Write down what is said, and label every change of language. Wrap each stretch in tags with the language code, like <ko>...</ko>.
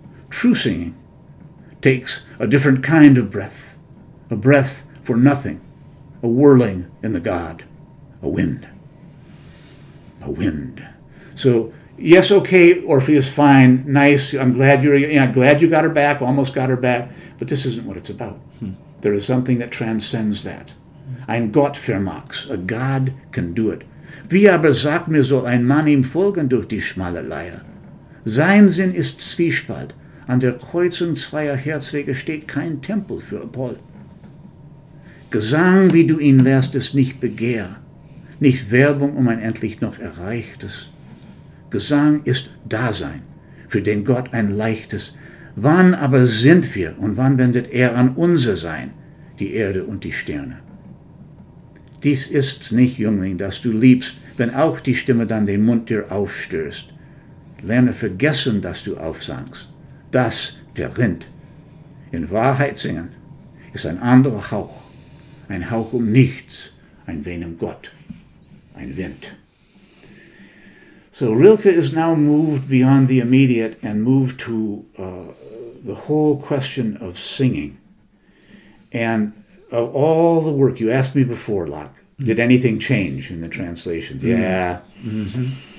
<en>True singing takes a different kind of breath, a breath for nothing, a whirling in the god, a wind." A wind. So, yes, okay, Orpheus, fine, nice. I'm glad glad you got her back, almost got her back. But this isn't what it's about. There is something that transcends that.</en> <de>Ein Gott vermag,</de> <en>a god can do it.</en> <de>Wie aber sagt mir soll ein Mann ihm folgen durch die schmale Leier? Sein Sinn ist Zwiespalt. An der Kreuzung zweier Herzwege steht kein Tempel für Apoll. Gesang, wie du ihn lehrst, ist nicht Begehr, nicht Werbung um ein endlich noch Erreichtes. Gesang ist Dasein, für den Gott ein leichtes. Wann aber sind wir und wann wendet an unser Sein, die Erde und die Sterne? Dies ist's nicht, Jüngling, das du liebst, wenn auch die Stimme dann den Mund dir aufstößt. Lerne vergessen, dass du aufsangst. Das verrinnt. In Wahrheit singen ist ein anderer Hauch, ein Hauch um nichts, ein wenig Gott, ein Wind.</de> <en>So Rilke is now moved beyond the immediate and moved to the whole question of singing. And of all the work, you asked me before, Locke, did anything change in the translations? Mm-hmm. Yeah. Mm-hmm.</en>